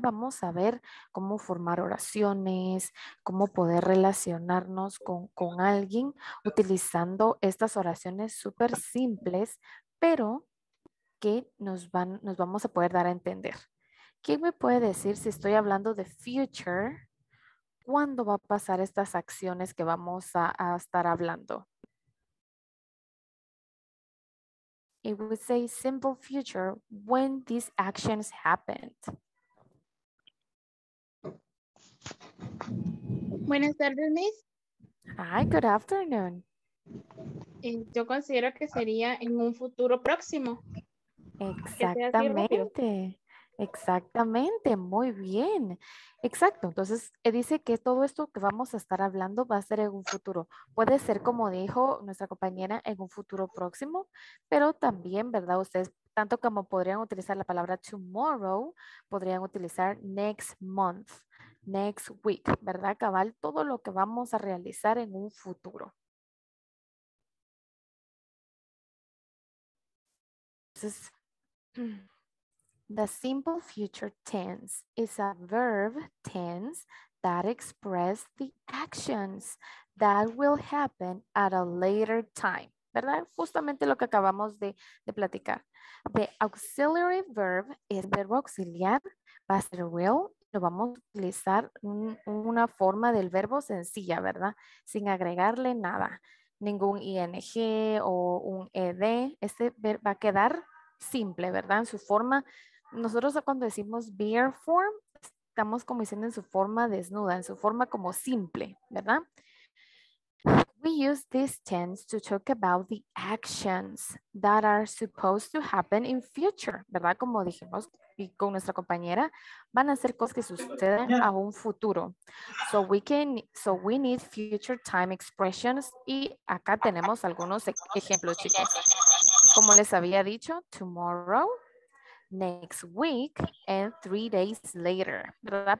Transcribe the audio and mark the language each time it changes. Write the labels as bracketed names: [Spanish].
[Spanish] Vamos a ver cómo formar oraciones, cómo poder relacionarnos con alguien utilizando estas oraciones súper simples, pero que nos vamos a poder dar a entender. ¿Quién me puede decir si estoy hablando de future? ¿Cuándo va a pasar estas acciones que vamos a estar hablando? [English] It would say simple future when these actions happened. [Spanish] Buenas tardes, Miss. [English] Hi, good afternoon. [Spanish] Yo considero que sería en un futuro próximo. Exactamente. Exactamente, muy bien. Exacto, entonces dice que todo esto que vamos a estar hablando va a ser en un futuro. Puede ser, como dijo nuestra compañera, en un futuro próximo, pero también, ¿verdad? Ustedes, tanto como podrían utilizar la palabra tomorrow, podrían utilizar [English] next month, next week, [Spanish] ¿verdad, cabal? Todo lo que vamos a realizar en un futuro. [English] Entonces, the simple future tense is a verb tense that expresses the actions that will happen at a later time. [Spanish] ¿Verdad? Justamente lo que acabamos de platicar. [English] The auxiliary verb [Spanish] es verbo auxiliar, va a ser will. Lo vamos a utilizar una forma del verbo sencilla, ¿verdad? Sin agregarle nada. Ningún ing o un ed. Este verbo va a quedar simple, ¿verdad? En su forma. Nosotros cuando decimos bare form, estamos como diciendo en su forma desnuda, en su forma como simple, ¿verdad? We [English] We use this tense to talk about the actions that are supposed to happen in future, ¿verdad? [Spanish] Como dijimos y con nuestra compañera, van a ser cosas que suceden a un futuro. [English] So we need future time expressions. [Spanish] Y acá tenemos algunos ejemplos, chicos. Como les había dicho, [English] tomorrow, next week, and 3 days later, ¿verdad?